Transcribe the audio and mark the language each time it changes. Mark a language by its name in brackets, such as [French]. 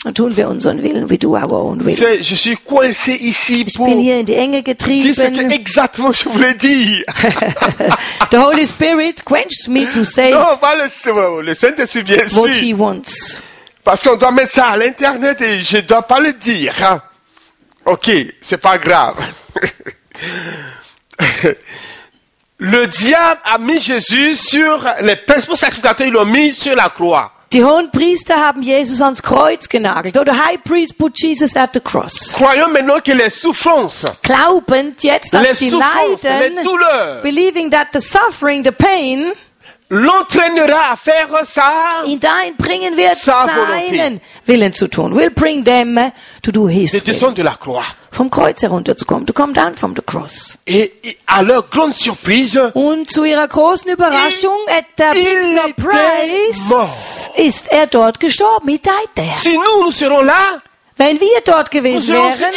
[German] Und tun wir unseren Willen. [English] We do our own will. [French] Je suis coincé ici [German] ich bin hier in die Enge getrieben. [French] Dis ce que exactement je voulais dire. [English] The Holy Spirit quenches me to say [French] non, pas le Saint-Esprit, bien sûr. [English] What he wants. [French] Parce qu'on doit mettre ça à l'internet et je ne dois pas le dire. Hein. Ok, c'est pas grave. Le diable a mis Jésus sur les principaux sacrificateurs, ils l'ont mis sur la croix. [German] Die hohen Priester haben Jesus ans Kreuz genagelt. [English] Or the high priest put Jesus at the cross. [French] Croyons maintenant que les souffrances, [German] glaubend jetzt, dass [French] les souffrances, [German] die Leiden, [French] les douleurs, [English] believing that the suffering, the pain, [French] l'entraînera à faire ça. [German] Ihn dahin bringen wird, seinen Willen zu tun. [English] We'll bring them to do his will. [French] Descend de la croix. [German] Vom Kreuz herunterzukommen. [English] To come down from the cross. [French] Et à leur grande surprise. [German] Und zu ihrer großen Überraschung, [English] at their big surprise, [German] ist dort gestorben. [English] He died there. [French] Si nous serons là. [German] Wenn wir dort gewesen wären,